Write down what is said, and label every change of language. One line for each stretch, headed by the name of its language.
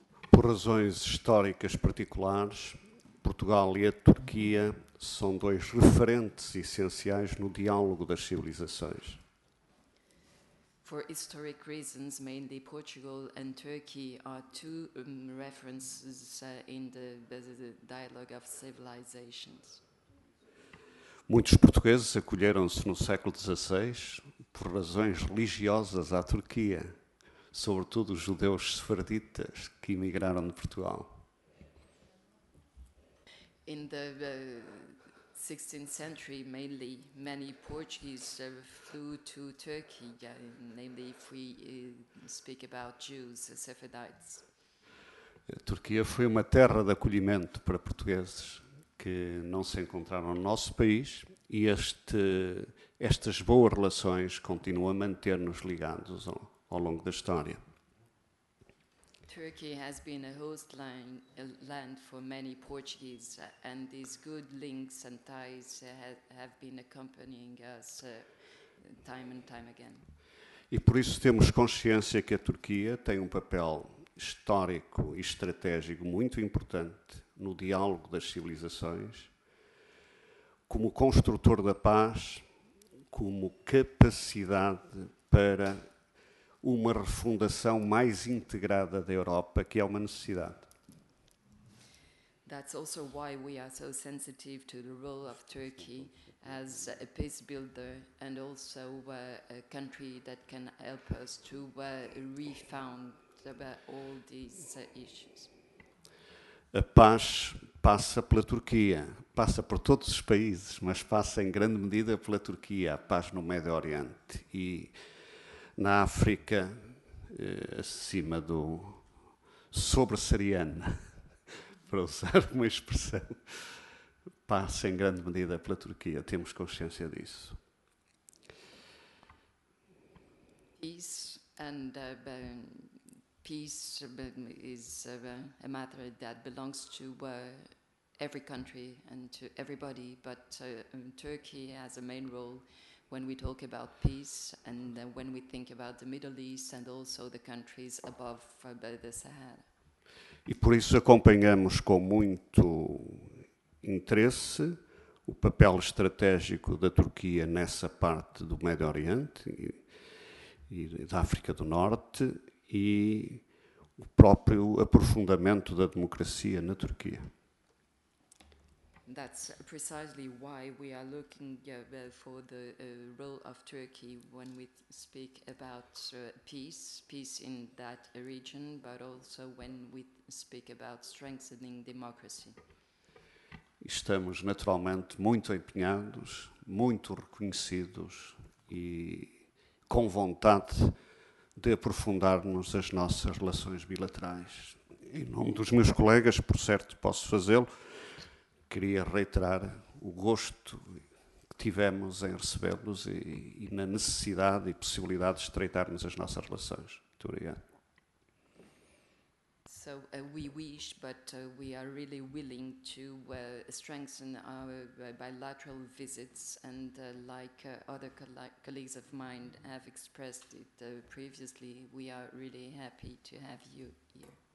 Portuguese: Por razões históricas particulares, Portugal e a Turquia são dois referentes essenciais no diálogo das civilizações.
English: For historic reasons, mainly Portugal and Turkey are two references in the dialogue of civilizations.
Portuguese: Muitos portugueses acolheram-se no século XVI por razões religiosas à Turquia, sobretudo os judeus sefarditas que emigraram de Portugal.
English: In the 16th century, mainly, many Portuguese flew to Turkey, namely, if we speak about Jews, Sephardites.
Portuguese: Turquia foi uma terra de acolhimento para portugueses que não se encontraram no nosso país e estas boas relações continuam a manter-nos ligados ao longo da história.
English: Turkey has been a host land for many Portuguese, and these good links and ties have been accompanying us time and time again.
Portuguese: E por isso temos consciência que a Turquia tem papel histórico e estratégico muito importante no diálogo das civilizações, como construtor da paz, como capacidade para uma refundação mais integrada da Europa, que é uma necessidade.
English: That's also why we are so sensitive to the role of Turkey as a peace builder and also a country that can help us to refound all these issues.
Portuguese: A paz passa pela Turquia, passa por todos os países, mas passa em grande medida pela Turquia, a paz no Médio Oriente e na África, acima do sobre-sariana. Para usar uma expressão, passa em grande medida pela Turquia. Temos consciência disso.
English: Peace and peace is a matter that belongs to every country and to everybody, but Turkey has a main role when we talk about peace and when we think about the Middle East and also the countries above the Sahara.
Portuguese: E por isso acompanhamos com muito interesse o papel estratégico da Turquia nessa parte do Médio Oriente e da África do Norte e o próprio aprofundamento da democracia na Turquia.
English: That's precisely why we are looking for the role of Turkey when we speak about peace in that region, but also when we speak about strengthening democracy.
Portuguese: Estamos naturalmente muito empenhados, muito reconhecidos e com vontade de aprofundarmos as nossas relações bilaterais. Em nome dos meus colegas, por certo, posso fazê-lo. Queria reiterar o gosto que tivemos em recebê-los e na necessidade e possibilidade de estreitarmos as nossas relações. Muito obrigado.
English: So we wish, but we are really willing to strengthen our bilateral visits and like other colleagues of mine have expressed it previously, we are really happy to have you here.